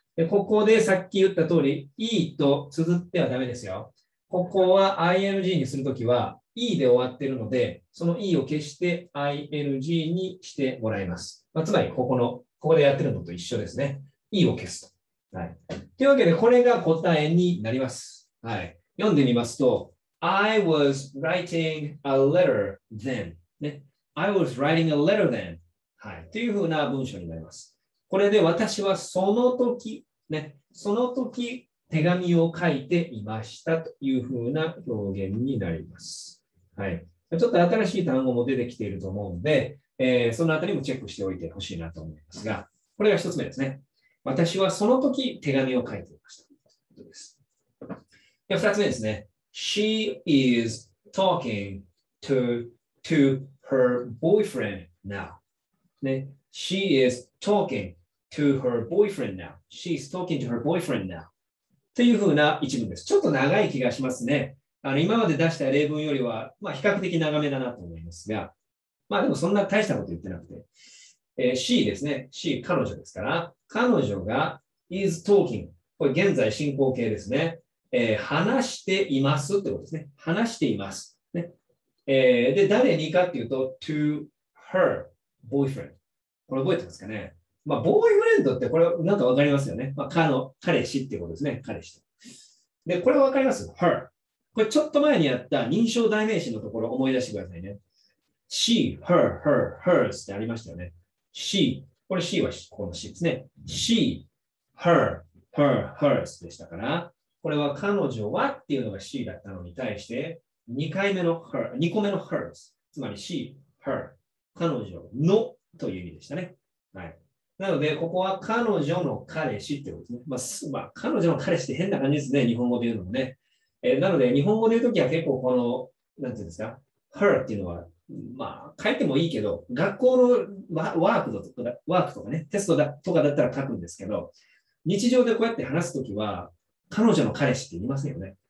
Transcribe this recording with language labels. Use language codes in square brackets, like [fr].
[ja] で、ここでさっき言った通り、E と綴ってはダメですよ。ここは ING にするときは E で終わっているので、その E を消して ING にしてもらいます。まあ、つまり、ここの、ここでやってるのと一緒ですね。E を消すと。はい。というわけで、これが答えになります。はい。読んでみますと、 [en] I was writing a letter then. [ja] ね。 [en] I was writing a letter then. [ja] はい。というふうな文章になります。これで私はその時、ね、その時手紙を書いていましたというふうな表現になります。はい。ちょっと新しい単語も出てきていると思うので、そのあたりもチェックしておいてほしいなと思いますが、これが一つ目ですね。私はその時手紙を書いていました。ということです。で、二つ目ですね。 [en] She is talking to her boyfriend now. [ja] ね。 [en] She is talking to her boyfriend now. She's talking to her boyfriend now. [ja] というふうな一文です。ちょっと長い気がしますね。あの今まで出した例文よりは、まあ、比較的長めだなと思いますが、まあでもそんな大したこと言ってなくて。 She ですね。She、彼女ですから。彼女が [en] is talking。 [ja] これ現在進行形ですね。話していますってことですね。話しています。ね、で、誰にかっていうと、 [en] to her boyfriend。 [ja] これ覚えてますかね。まあ、ボーイフレンドってこれなんかわかりますよね。まあ、彼氏っていうことですね。彼氏と。で、これわかります ?her。これちょっと前にやった認証代名詞のところ思い出してくださいね。 [en] she, her, her, hers [ja] ってありましたよね。 [en] she。 [ja] これ she はこの she ですね。 [en] she, her, her, hers [ja] でしたから。これは彼女はっていうのが she だったのに対して、2回目の her、2個目の hers。つまり [en] she, her。 [ja] 彼女のという意味でしたね。はい。なので、ここは彼女の彼氏ってことですね。まあ、彼女の彼氏って変な感じですね。日本語で言うのもね。なので、日本語で言うときは結構この、なんていうんですか、her っていうのは、まあ、書いてもいいけど、学校のワークとかね、テストとかだったら書くんですけど、日常でこうやって話すときは、彼女の彼氏って言いますよね。